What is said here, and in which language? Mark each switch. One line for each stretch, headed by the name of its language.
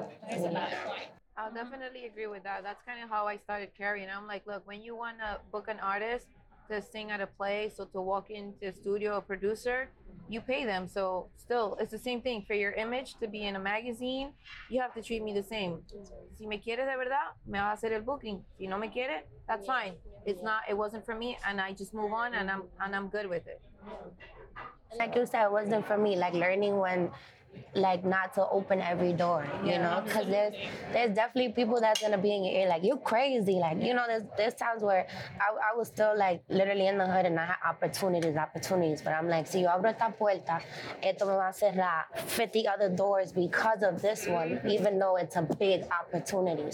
English: Oh, I'll definitely agree with that. That's kind of how I started carrying. I'm like, look, when you want to book an artist to sing at a play, so to walk into a studio, a producer, you pay them. So still, it's the same thing. For your image to be in a magazine, you have to treat me the same.
Spanish: Si me quieres de verdad, me vas a hacer el booking. Si no me quiere,
English: that's fine. It's not, it wasn't for me, and I just move on, and I'm good with it. Like you said, it wasn't for me. Like learning when... like not to open every door, you know, because there's definitely people that's gonna be in your ear like, you're crazy, like, you know, there's times where I was still like literally in the hood and I had opportunities, but I'm like,
Spanish: si yo abro esta puerta, esto me va a cerrar
English: 50 other doors because of this one, even though it's a big opportunity.